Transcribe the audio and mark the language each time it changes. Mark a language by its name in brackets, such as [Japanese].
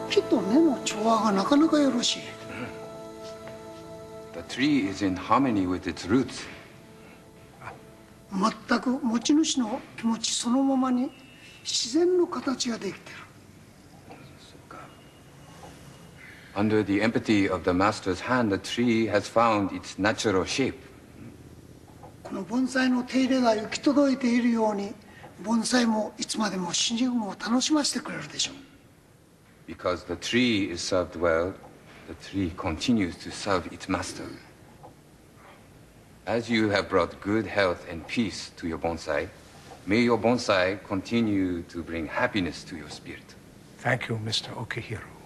[English] The tree is in harmony with its roots. [Japanese] まったく持ち主の気持ちそのままに自然の形ができてる。 [English] Under the empathy of the master's hand, the tree has found its natural shape. [Japanese] この盆栽の手入れが行き届いているように、盆栽もいつまでも新人を楽しませてくれるでしょう。 [English] Because the tree is served well, the tree continues to serve its master. As you have brought good health and peace to your bonsai, may your bonsai continue to bring happiness to your spirit. Thank you, Mr. Okihiro.